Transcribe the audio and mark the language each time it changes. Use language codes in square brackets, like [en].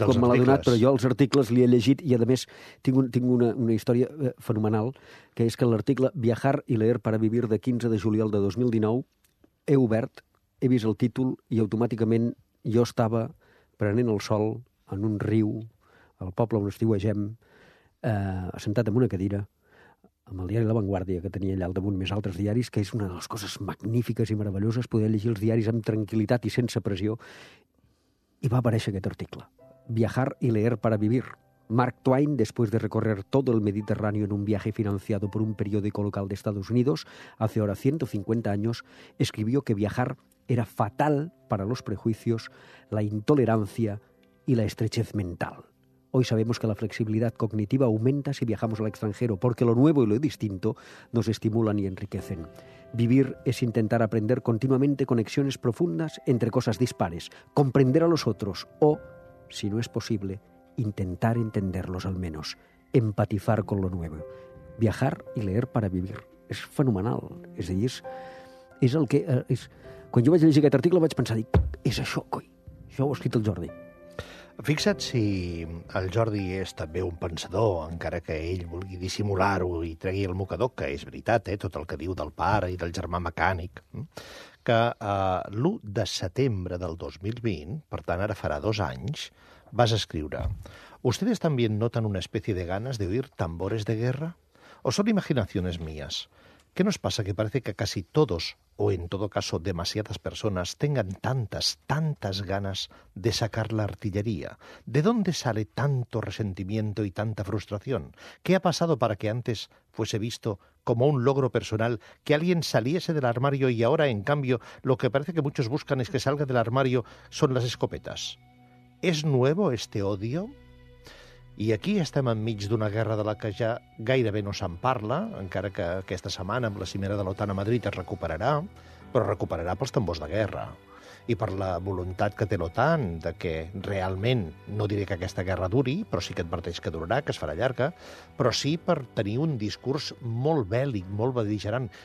[ca] quan me l'ha donat, però jo els articles li he llegit i, a més, tinc una història fenomenal, que és que l'article Viajar y leer para vivir de 15 de juliol de 2019 he obert, he vist el títol i automàticament jo estava prenent el sol en un riu al poble on estiuegem, assentat en una cadira amb el diari La Vanguardia, que tenia allà al damunt més altres diaris, que és una de les coses magnífiques i meravelloses, poder llegir els diaris amb tranquil·litat i sense pressió. I va aparèixer aquest article. [es] Viajar y leer para vivir. Mark Twain, después de recorrer todo el Mediterráneo en un viaje financiado por un periódico local de Estados Unidos, hace ahora 150 años, escribió que viajar era fatal para los prejuicios, la intolerancia y la estrechez mental. Hoy sabemos que la flexibilidad cognitiva aumenta si viajamos al extranjero, porque lo nuevo y lo distinto nos estimulan y enriquecen. Vivir es intentar aprender continuamente conexiones profundas entre cosas dispares, comprender a los otros o, si no es posible, intentar entenderlos al menos, empatizar con lo nuevo. Viajar y leer para vivir es fenomenal. [ca] És a dir, és el que... És... Quan jo vaig llegir aquest article vaig pensar, dic, és això, coi, això ho ha escrit el Jordi. Fixa't si el Jordi és també un pensador, encara que ell vulgui dissimular-ho i tregui el mocador, que és veritat, tot el que diu del pare i del germà mecànic, que l'1 de setembre del 2020, per tant ara farà 2 anys, vas escriure: [es] «Ustedes también notan una especie de ganas de oír tambores de guerra? ¿O son imaginaciones mías? ¿Qué nos pasa que parece que casi todos, o en todo caso demasiadas personas, tengan tantas ganas de sacar la artillería? ¿De dónde sale tanto resentimiento y tanta frustración? ¿Qué ha pasado para que antes fuese visto como un logro personal que alguien saliese del armario y ahora, en cambio, lo que parece que muchos buscan es que salga del armario son las escopetas? ¿Es nuevo este odio?». [ca] I aquí estem enmig d'una guerra de la que ja gairebé no se'n parla, encara que aquesta setmana amb la cimera de l'OTAN a Madrid es recuperarà, però recuperarà pels tambors de guerra i per la voluntat que té l'OTAN de que realment, no diré que aquesta guerra duri, però sí que adverteix que durarà, que es farà llarga, però sí per tenir un discurs molt bèl·lic, molt beligerant.